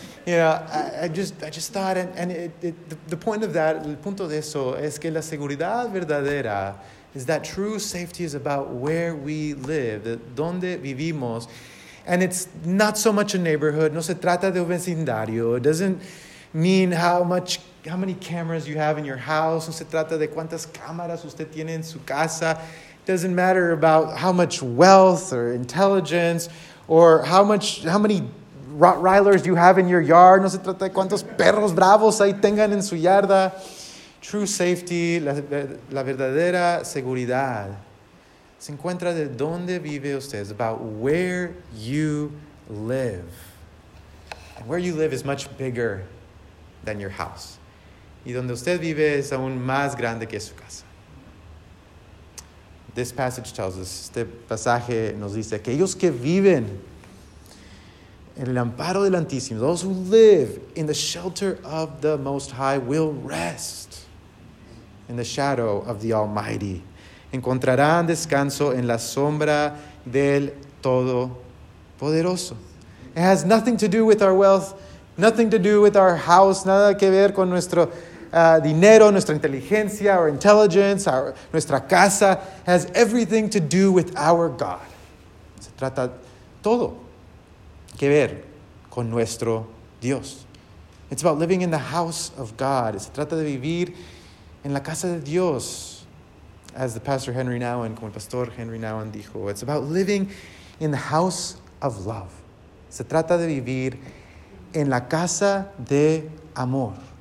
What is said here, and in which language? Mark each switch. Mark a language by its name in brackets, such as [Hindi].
[English] You know, I just thought, the point of that, [Spanish] el punto de eso, es que la seguridad verdadera [English] is that true safety is about where we live, [Spanish] donde vivimos. [English] And it's not so much a neighborhood. [Spanish] No se trata de un vecindario. [English] It doesn't mean how many cameras you have in your house. [Spanish] No se trata de cuántas cámaras usted tiene en su casa. [English] It doesn't matter about how much wealth or intelligence or how many Rottweilers you have in your yard. [Spanish] No se trata de cuántos perros bravos ahí tengan en su yarda. [English] True safety, [Spanish] la verdadera seguridad, se encuentra de dónde vive usted. [English] It's about where you live. And where you live is much bigger than your house. [Spanish] Y donde usted vive es aún más grande que su casa. [English] this passage tells us, [Spanish] este pasaje nos dice, aquellos que viven en el amparo del Altísimo, [English] those who live in the shelter of the Most High will rest in the shadow of the Almighty. [Spanish] Encontrarán descanso en la sombra del Todopoderoso. It has nothing to do with our wealth, nothing to do with our house, nada que ver con nuestro dinero, nuestra inteligencia, our intelligence, nuestra casa. [English] It has everything to do with our God. [Spanish] Se trata todo que ver con nuestro Dios. [English] It's about living in the house of God. [Spanish] Se trata de vivir en la casa de Dios. [English] As the pastor Henry Nouwen, [Spanish] como el pastor Henry Nouwen dijo, [English] it's about living in the house of love. [Spanish] Se trata de vivir en la casa de amor.